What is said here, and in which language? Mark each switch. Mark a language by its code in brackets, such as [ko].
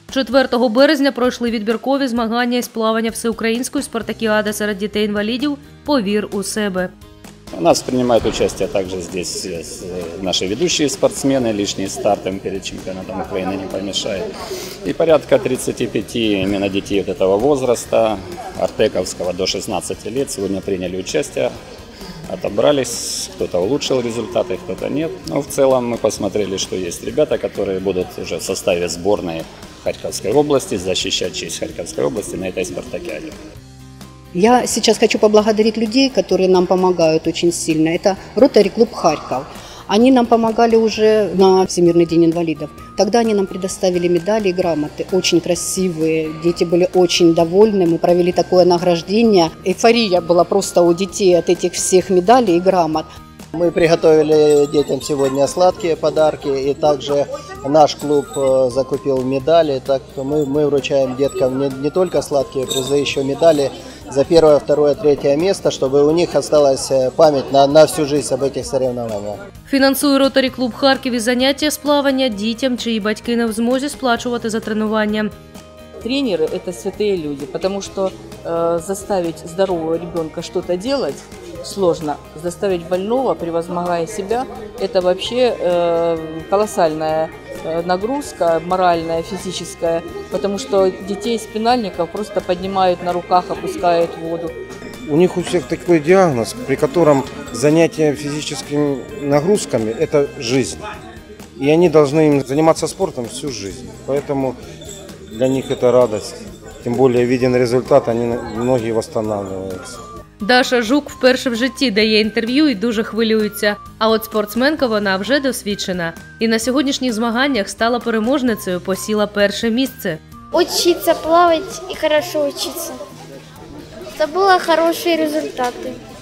[uk] 4 березня пройшли відбіркові змагання із плавання всеукраїнської спартакіади серед дітей-інвалідів «Повір у себе». У нас приймають участь також тут наші ведучі спортсмени, лишні старти перед чемпіонатом України не помішають. І порядка 35 дітей цього віку, артековського до 16 років, сьогодні прийняли участь. [ru] Отобрались, кто-то улучшил результаты, кто-то нет. Но в целом мы посмотрели, что есть ребята, которые будут уже в составе сборной Харьковской области защищать честь Харьковской области на этой спартакиаде. Я сейчас хочу поблагодарить людей, которые нам помогают очень сильно. Это Ротари-клуб Харьков. Они нам помогали уже на Всемирный день инвалидов. Тогда они нам предоставили медали и грамоты. Очень красивые. Дети были очень довольны. Мы провели такое награждение. Эйфория была просто у детей от этих всех медалей и грамот. Мы приготовили детям сегодня сладкие подарки. И также наш клуб закупил медали. Так мы вручаем деткам не только сладкие призы, еще медали за первое, второе, третье место, чтобы у них осталась память на всю жизнь об этих соревнованиях. [uk] Фінансує Ротарі-клуб Харків і заняття з плавання дітям, чиї батьки не в змозі сплачувати за тренування. Тренери – це святі люди, тому що заставити здорового дитину щось робити складно, заставити хворого, перемагаючи себе, це взагалі колосальна нагрузка, моральна, фізична, тому що дітей з спинальників просто піднімають на руках, опускають в воду. [ru] У них у всех такой диагноз, при котором занятие физическими нагрузками – это жизнь. И они должны заниматься спортом всю жизнь. Поэтому для них это радость. Тем более виден результат, они ноги восстанавливаются. [uk] Даша Жук вперше в житті дає інтерв'ю і дуже хвилюється. А от спортсменка вона вже досвідчена. І на сьогоднішніх змаганнях стала переможницею, посіла перше місце. Учиться плавати і добре вчитися. Це були хороші результати.